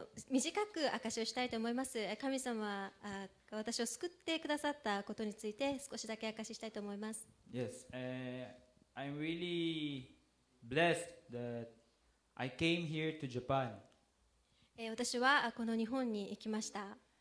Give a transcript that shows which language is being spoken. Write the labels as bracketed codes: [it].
[ja] 短く証しをしたいと思います。神様が私を救ってくださったことについて少しだけ証ししたいと思います。 [en] Yes, I'm really blessed that I came here to Japan. [ja] 私はこの日本に行きました。